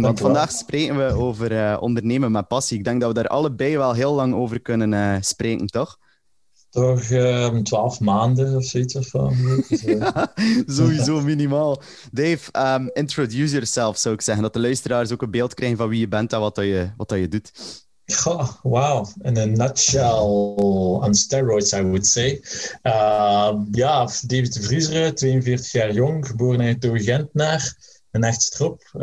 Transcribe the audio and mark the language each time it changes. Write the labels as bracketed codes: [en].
[nl] Want vandaag spreken we over ondernemen met passie. Ik denk dat we daar allebei wel heel lang over kunnen spreken, toch? Toch 12 maanden of zoiets of zo. Ja, sowieso minimaal. Dave, [en] introduce yourself, [nl] zou ik zeggen. Dat de luisteraars ook een beeld krijgen van wie je bent en wat dat je doet. Goh, wow. [en] In a nutshell, on steroids, I would say. [nl] Ja, David de Vriesere, 42 jaar jong, geboren in Gentenaar, een echt strop.